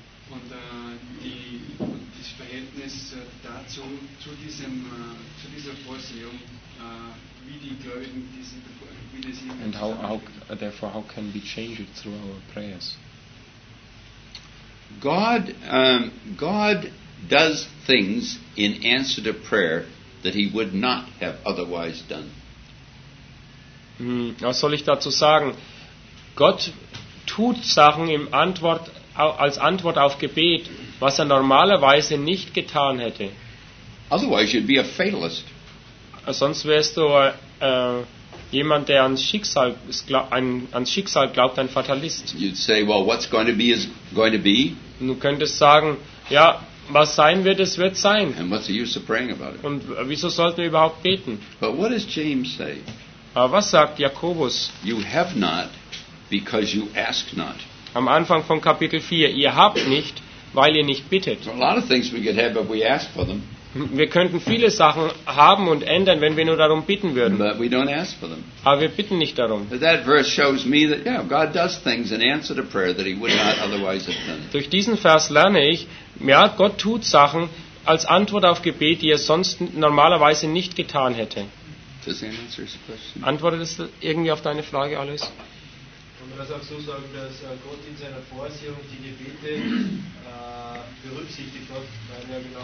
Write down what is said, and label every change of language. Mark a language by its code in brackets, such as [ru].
[de] Und das Verhältnis dazu, zu dieser Vorsehung, wie die Gläubigen diesen, wie das hier. [en] And how therefore how can we change it through our prayers? God God does things in answer to prayer that he would not have otherwise done. [de] Was soll ich dazu sagen? Gott tut Sachen als Antwort auf Gebet, was er normalerweise nicht getan hätte. [en] Otherwise you'd be a fatalist. [de] Sonst wärst du jemand, der ans Schicksal glaubt, ein Fatalist. [en] You'd say, well, what's going to be is going to be. [de] Du könntest sagen, ja, was sein wird, es wird sein. [en] And what's the use of praying about it? [de] Und wieso sollten wir überhaupt beten? [en] But what does James say? [de] Aber was sagt Jakobus? [en] You have not, because you ask not. [de] Am Anfang von Kapitel 4, ihr habt nicht, weil ihr nicht bittet. [en] A lot of things we could have, but we ask for them. [de] Wir könnten viele Sachen haben und ändern, wenn wir nur darum bitten würden. [en] But we don't ask for them. [de] Aber wir bitten nicht darum. [en] That verse shows me that, yeah, God does things in answer to prayer that he would not otherwise have done. [de] Durch diesen Vers lerne ich, ja, Gott tut Sachen als Antwort auf Gebet, die er sonst normalerweise nicht getan hätte. [en] Does that answer his question? [de] Antwortet es irgendwie auf deine Frage, Alois? Kann man das auch so sagen, dass Gott in seiner Vorsehung die Gebete berücksichtigt hat, weil er genau